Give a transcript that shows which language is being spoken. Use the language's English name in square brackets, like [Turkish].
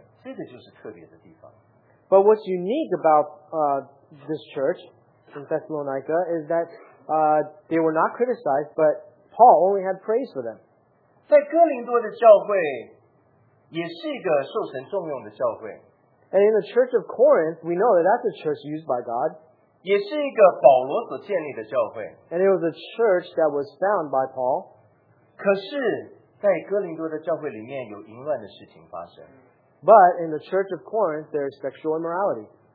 [Chinese] 可是，在帖撒罗尼迦的这个教会，它却是没有受到一点责备的教会，这个就是特别的地方。 [English] But what's unique about this church in Thessalonica is that they were not criticized, but Paul only had praise for them. [Chinese] 在哥林多的教会，也是一个受神重用的教会。 [English] And in the church of Corinth, we know that that's a church used by God. [Chinese] 也是一个保罗所建立的教会。 [English] And it was a church that was found by Paul. [Chinese] 可是，在哥林多的教会里面有淫乱的事情发生。 [English] But in the church of Corinth, there is sexual immorality.